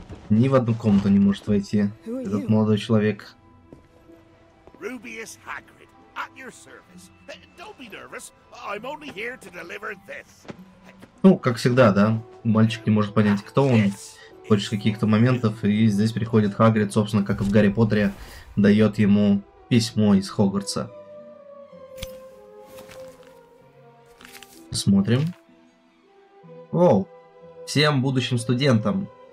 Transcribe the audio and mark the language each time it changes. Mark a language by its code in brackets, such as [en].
[ru] Ни в одну комнату не может войти этот молодой человек. [en] Rubius Hagrid, at your service. Don't be nervous. I'm only here to deliver this. [ru] Ну, как всегда, да. Мальчик не может понять, кто он. Хочет каких-то моментов. И здесь приходит Хагрид, собственно, как и в Гарри Поттере, дает ему письмо из Хогвартса. Смотрим. Воу! Всем будущим студентам!